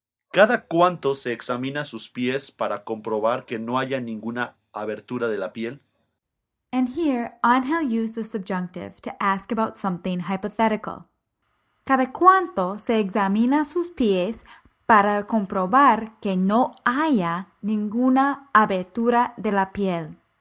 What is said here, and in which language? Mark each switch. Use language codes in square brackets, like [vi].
[es] ¿Cada cuánto se examina sus pies para comprobar que no haya ninguna abertura de la piel? [en] And here, Angel used the subjunctive to ask about something hypothetical. [es] ¿Cada cuánto se examina sus pies para comprobar que no haya ninguna abertura de la piel?